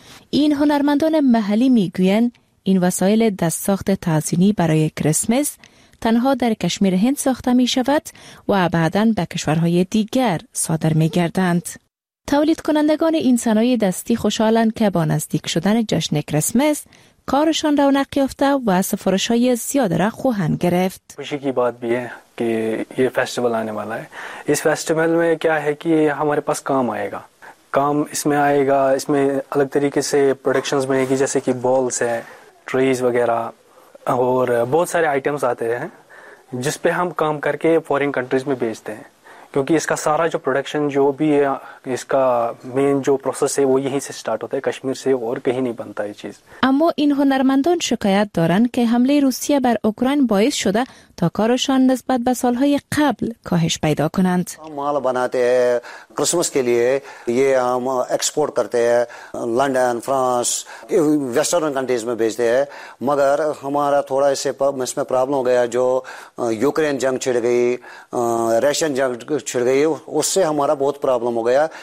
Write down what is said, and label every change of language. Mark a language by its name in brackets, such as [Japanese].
[Persian] این هنرمندان محلی می‌گویند این وسایل دست ساخت تزیینی برای کریسمس تنها در کشمیر هند ساخته می شود و بعداً به کشورهای دیگر صادر می گردند. تولید کنندگان این صنایع دستی خوشحالند که با نزدیک شدن جشن کریسمس کارشان رونق یافته و سفارش های زیاد را خواهند گرفت. [Urdu] خوشی کی بات بیه که یه فستیوال آنے والا ہے. اس فستیوال میں کیا ہے کہ ہمارے پاس کام آئے گا. کام اس میں آئے گا، اس میں الگ طریقے سے پروڈکشنز بنے گی، جیسے کہ بالز ہے، ٹریز وغیرہ اور بہت سارے آئٹمس آتے ہیں جس پہ ہم کام کر کے فورین کنٹریز میں بیچتے ہیں. کیونکہ اس کا سارا جو پروڈکشن جو بھی ہے اس کا مین جو پروسیس ہے وہ یہیں سے سٹارٹ ہوتا ہے کشمیر سے اور کہیں نہیں بنتا یہ چیز. [Persian] اما ان هنرمندان شکایت دارن کہ حملے روسیہ بر اوکراین باعث شده تا کارشان نسبت به سالهای قبل کاهش پیدا کنند. [Urdu] ہم مال بناتے ہیں کرسمس کے لیے, یہ ہم ایکسپورٹ کرتے ہیں لندن فرانس ویسٹرن کنٹریز میں بھیجتے ہیں, مگر ہمارا تھوڑا اس میں پرابلم ہو گیا جو یوکرین جنگ چھڑ گئی, ریشن جنگ چھڑ گئی, اس سے ہمارا بہت پرابلم ہو گیا.